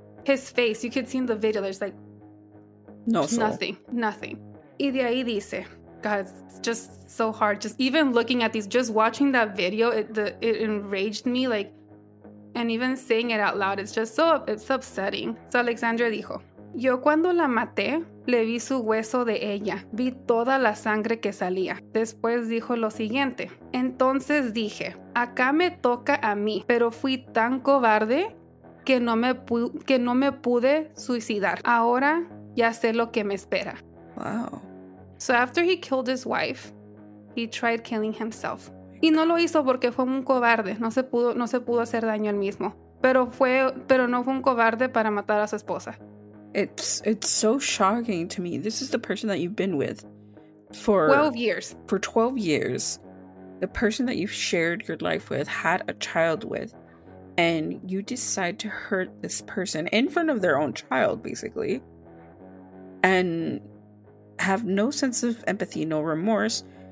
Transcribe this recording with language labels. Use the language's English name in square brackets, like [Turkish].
[English] His face. You could see in the video, there's, like... No soul. Nothing. Nothing. [Spanish] Y de ahí dice, [English] God, it's just so hard. Just even looking at these, just watching that video, it enraged me. Like, and even saying it out loud, it's upsetting. [Spanish] So Alexander dijo, yo cuando la maté, le vi su hueso de ella. Vi toda la sangre que salía. Después dijo lo siguiente. Entonces dije, acá me toca a mí. Pero fui tan cobarde que no me pude suicidar. Ahora ya sé lo que me espera. [English] Wow. So after he killed his wife, he tried killing himself. [Spanish] Y no lo hizo porque fue un cobarde. No se pudo hacer daño él mismo. Pero no fue un cobarde para matar a su esposa. [English] It's so shocking to me. This is the person that you've been with for 12 years. For 12 years, the person that you've shared your life with, had a child with, and you decide to hurt this person in front of their own child, basically, and have no sense of empathy, no remorse.